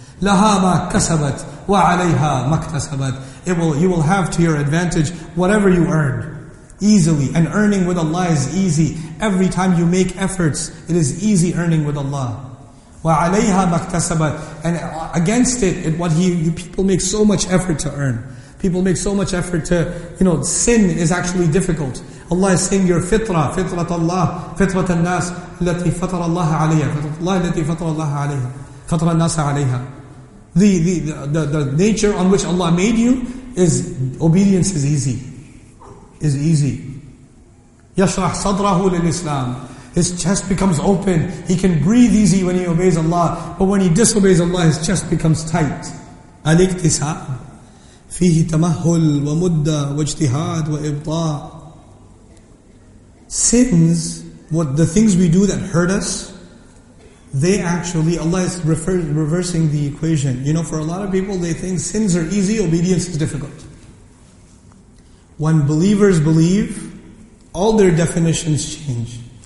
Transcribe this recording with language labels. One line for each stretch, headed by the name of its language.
Arabic: لَهَا مَا كَسَبَتْ وَعَلَيْهَا مَكْتَسَبَتْ
English: You will have to your advantage whatever you earned. Easily. And earning with Allah is easy. Every time you make efforts, it is easy earning with Allah.
Arabic: وَعَلَيْهَا مَكْتَسَبَتْ
English: And against it, people make so much effort to earn. People make so much effort to, sin is actually difficult. Allah is saying your fitrah,
Arabic: fitrat Allah, fitrat al-nas, التي فطر الله عليها, فطر الله التي فطر الله عليها, فطر الناس عليها.
English: The nature on which Allah made you is obedience is easy. Is easy.
Arabic: يشرح صدره للإسلام.
English: His chest becomes open. He can breathe easy when he obeys Allah. But when he disobeys Allah, his chest becomes tight.
Arabic: الاكتساب. فيه تمهل ومدة واجتهاد وإبطاء.
English: Sins, what the things we do that hurt us, they actually, Allah is reversing the equation. For a lot of people, they think sins are easy, obedience is difficult. When believers believe, all their definitions change.